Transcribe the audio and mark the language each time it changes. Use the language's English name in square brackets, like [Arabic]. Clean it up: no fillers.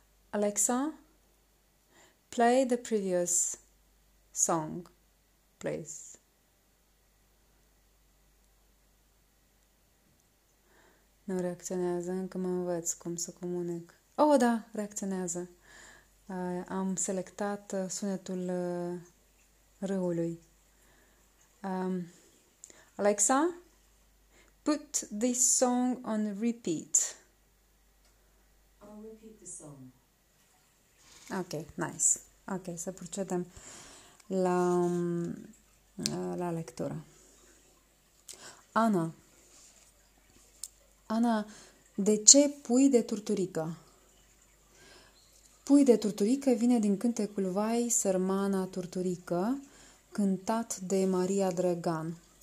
[English] Alexa, play the previous song, please. [Romanian] Nu reacționează, încă mă învăț cum să comunic. Oh, da, reacționează. Am selectat sunetul râului. [English] Alexa, put this song on repeat. I'll repeat the song. Ok, nice. [Romanian] Ok, să procedem la, la lectură. Ana. Ana, de ce pui de turturică? Pui de turturică vine din cântecul Vai, sărmana turturică, cântat de Maria Drăgan.